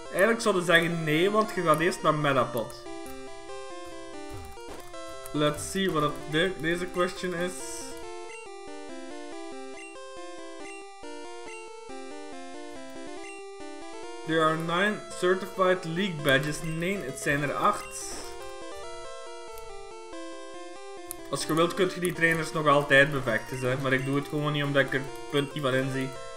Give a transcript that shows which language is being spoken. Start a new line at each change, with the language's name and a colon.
Dutch: Eigenlijk zouden zeggen nee, want je gaat eerst naar Metapod.
English: Let's see what
Dutch: deze
English: question is. There are 9 certified league badges.
Dutch: Nee, het zijn er 8. Als je wilt, kun je die trainers nog altijd bevechten, zeg. Maar ik doe het gewoon niet omdat ik er punt niet van in zie.